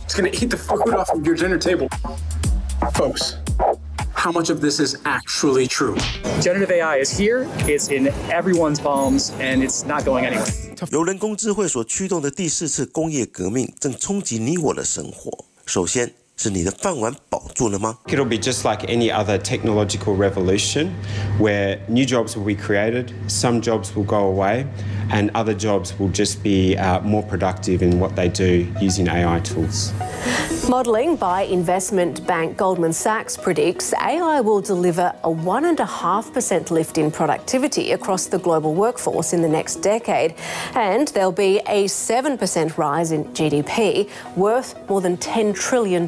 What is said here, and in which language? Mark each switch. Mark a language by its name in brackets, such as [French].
[English] It's going to eat the food off of your dinner table. Folks, how much of this is actually true? Generative AI is here. It's in everyone's palms, and it's not going anywhere. [Chinese] 由人工智慧所驱动的第四次工业革命正冲击你我的生活。首先是你的饭碗保住了吗？ [English] It'll be just like any other technological revolution, where new jobs will be created, some jobs will go away, and other jobs will just be more productive in what they do using AI tools. Modeling by investment bank Goldman Sachs predicts AI will deliver a 1.5% lift in productivity across the global workforce in the next decade, and there'll be a 7% rise in GDP, worth more than $10 trillion.